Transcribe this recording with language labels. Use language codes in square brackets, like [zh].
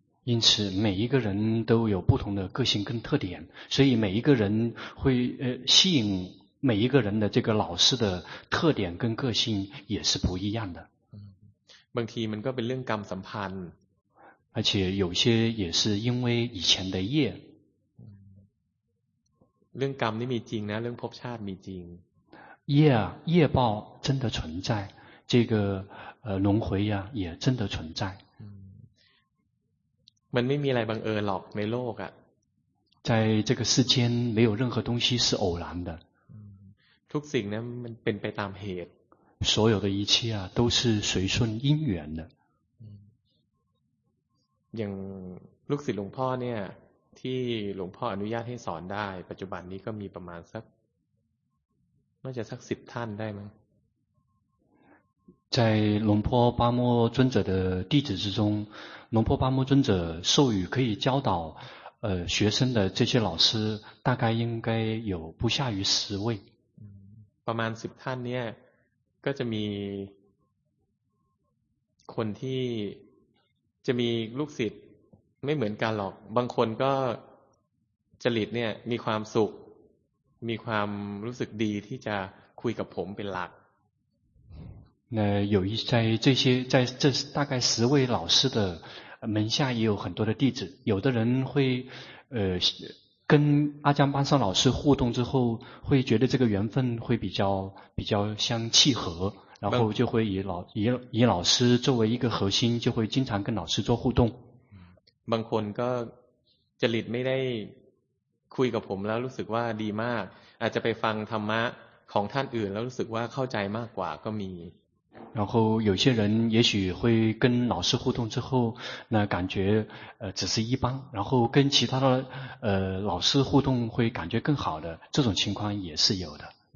[zh] 因此每一个人都有不同的个性跟特点所以每一个人会吸引每一个人的这个老师的特点跟个性也是不一样的 [th] บางทีมันก็เป็นเรื่องกรรมสัมพันธ์ [zh] 而且有些也是因为以前的业。 [th] เรื่องกรรมนี่มีจริงนะเรื่องภพชาติมีจริง。 [zh] 业报真的存在，这个轮回呀也真的存在。 [th] มันไม่มีอะไรบังเอิญหรอกในโลกอ่ะ。 [zh] 在这个世间没有任何东西是偶然的。 [th] ทุกสิ่งนั้นมันเป็นไปตามเหตุ。 [zh] 所有的一切啊都是随顺因缘的。 [th] อย่างลูกศิษย์หลวงพ่อเนี่ยที่หลวงพ่ออนุญาตให้สอนได้ปัจจุบันนี้ก็มีประมาณสักน่าจะสัก10ท่านได้มั้ง [zh] 在龙坡巴莫尊者的弟子之中龙坡巴莫尊者授予可以教导学生的这些老师大概应该有不下于10位 [th] ประมาณ10ท่านเนี่ยก็จะมีคนที่จะมีลูกศิษย์ไม่เหมือนกันหรอกบางคนก็จริตเนี่ยมีความสุขมีความรู้สึกดีที่จะคุยกับผมเป็นหลัก [zh] 那有一在这些在这大概十位老师的门下也有很多的弟子有的人会跟阿江班上老师互动之后会觉得这个缘分会比较相契合然后就会以老师作为一个核心就会经常跟老师做互动 [th] บางคนก็จริตไม่ได้คุยกับผมแล้วรู้สึกว่าดีมากอาจจะไปฟังธรรมะของท่านอื่นแล้วรู้สึกว่าเข้าใจมากกว่าก็มี [zh] 然后有些人也许会跟老师互动之后那感觉只是一般然后跟其他的老师互动会感觉更好的这种情况也是有的